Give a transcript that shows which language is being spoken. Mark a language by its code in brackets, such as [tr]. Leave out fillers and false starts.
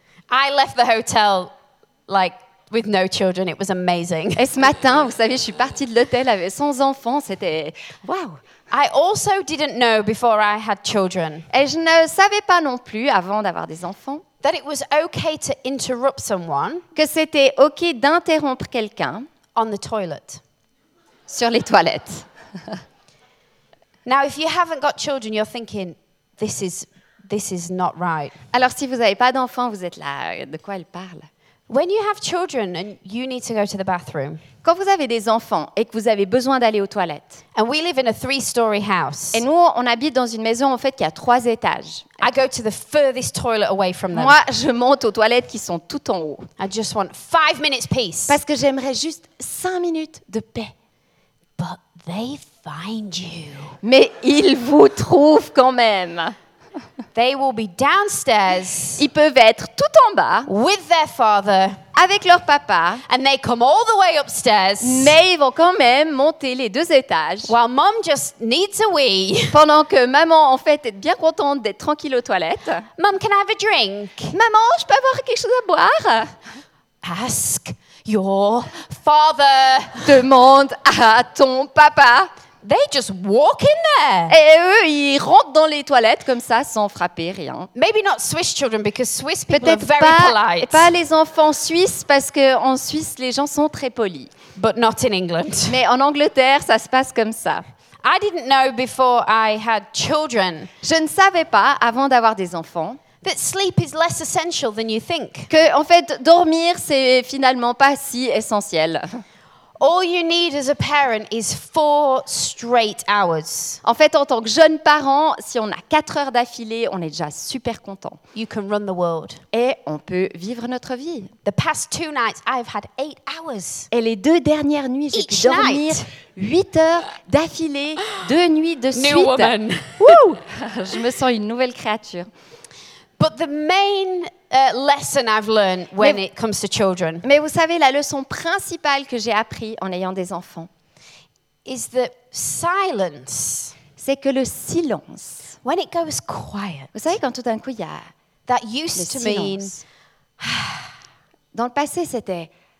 [en] I left the hotel like with no children. It was amazing. [fr] Et ce matin, vous savez, je suis partie de l'hôtel sans enfants. C'était wow. [en] I also didn't know before I had children. [fr] Et je ne savais pas non plus avant d'avoir des enfants. [en] That it was okay to interrupt someone. [fr] Que c'était okay d'interrompre quelqu'un. [en] On the toilet. [fr] Sur les toilettes. [en] Now, if you haven't got children, you're thinking, this is not right. [fr] Alors, si vous n'avez pas d'enfants, vous êtes là. De quoi elle parle? [en] When you have children and you need to go to the bathroom. [fr] Quand vous avez des enfants et que vous avez besoin d'aller aux toilettes. [en] And we live in a three-story house. [fr] Et nous, on habite dans une maison en fait qui a 3 étages. [en] I go to the furthest toilet away from them. [fr] Moi, je monte aux toilettes qui sont tout en haut. [en] I just want 5 minutes peace. [fr] Parce que j'aimerais juste 5 minutes de paix. [en] But they find you. [fr] Mais ils vous trouvent quand même. [en] They will be downstairs. [fr] Ils peuvent être tout en bas. [en] With their father. [fr] Avec leur papa. [en] And they come all the way upstairs. [fr] Mais ils vont quand même monter les 2 étages. [en] While mom just needs a wee. [fr] Pendant que maman en fait est bien contente d'être tranquille aux toilettes. [en] Mom, can I have a drink? [fr] Maman, je peux avoir quelque chose à boire? [en] Ask your father. [fr] Demande à ton papa. [en] They just walk in there. [fr] Et eux, ils rentrent dans les toilettes comme ça, sans frapper rien. [en] Maybe not Swiss children, because Swiss people are very polite. [fr] Peut-être pas les enfants suisses, parce qu'en Suisse, les gens sont très polis. [en] But not in England. [fr] Mais en Angleterre, ça se passe comme ça. [en] I didn't know before I had children. [fr] Je ne savais pas avant d'avoir des enfants. [en] That sleep is less essential than you think. [fr] Que en fait, dormir, c'est finalement pas si essentiel. [en] All you need as a parent is 4 straight hours. [fr] En fait, en tant que jeune parent, si on a 4 heures d'affilée, on est déjà super content. [en] You can run the world. [fr] Et on peut vivre notre vie. [en] The past 2 nights, I've had 8 hours. [fr] Et les 2 dernières nuits, j'ai [en] Each [fr] pu dormir [en] night. [fr] 8 heures d'affilée, 2 nuits de [en] New [fr] suite. [en] New woman. [fr] Woo! Je me sens une nouvelle créature. [en] But the main lesson I've learned when it comes to children. [fr] Mais vous savez, la leçon principale que j'ai appris en ayant des enfants [en] is that silence. [fr] C'est que le silence. [en] When it goes quiet. [fr] Vous savez, quand tout d'un coup il y a [en] that used [fr] le [en] to [fr] silence. [en] Mean. [fr] Dans le passé, c'était